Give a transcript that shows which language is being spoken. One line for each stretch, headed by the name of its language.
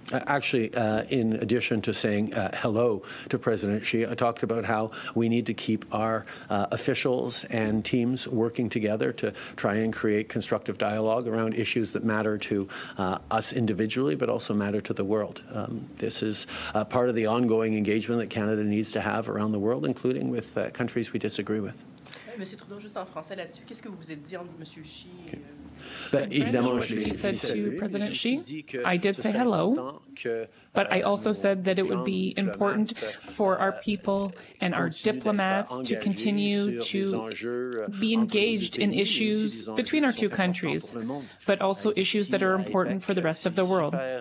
English: Actually, in addition to saying hello to President Xi, I talked about how we need to keep our officials and teams working together to try and create constructive dialogue around issues that matter to us individually, but also matter to the world. This is part of the ongoing engagement that Canada needs to have around the world, including with countries we disagree with.
French: Monsieur Trudeau, juste en français là-dessus, qu'est-ce que vous vous êtes dit entre Monsieur Xi?
English: But evidently, what you said to President Xi, I did say hello, but I also said that it would be important for our people and our diplomats to continue to be engaged in issues between our two countries, but also issues that are important for the rest of the world.